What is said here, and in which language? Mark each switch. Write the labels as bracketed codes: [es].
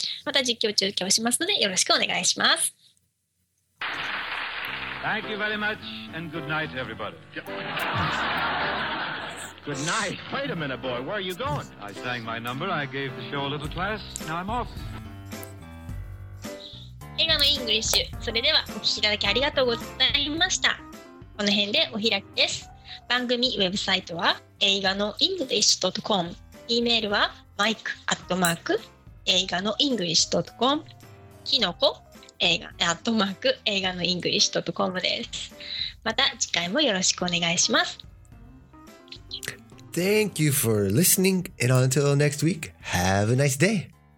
[ja] また実況中継をしますので、よろしくお願いします。 [en] Thank you very much and good night, everybody. Good night. Wait a minute, boy. Where are you going? I sang my number. I gave the show a little class. Now I'm off. [ja] 映画のイングリッシュ。それではお聞きいただきありがとうございました。この辺でお開きです。番組ウェブサイトは映画の english.com。 E メールは mike@映画のenglish.com。きのこ @映画のenglish.com です。また次回もよろしくお願いします。 [en] Thank you for listening and until next week, have a nice day!